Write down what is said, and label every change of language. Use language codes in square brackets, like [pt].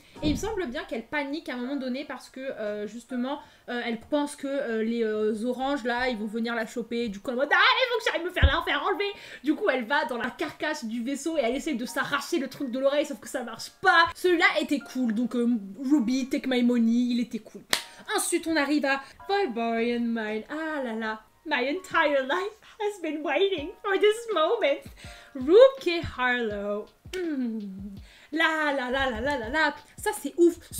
[fr] Et il me semble bien qu'elle panique à un moment donné parce que justement elle pense que les oranges là ils vont venir la choper. Du coup elle va dire ah, il faut que j'arrive à me faire l'enfer enlever. Du coup elle va dans la carcasse du vaisseau et elle essaie de s'arracher le truc de l'oreille, sauf que ça marche pas. Celui-là était cool, donc Ruby, [en] take my money, [fr] il était cool. Ensuite on arrive à Barbarian Mind. [en] Ah là là, my entire life has been waiting for this moment. Rookie Harlow. [fr] Là, là, là, là, là, là, là, ça c'est ouf.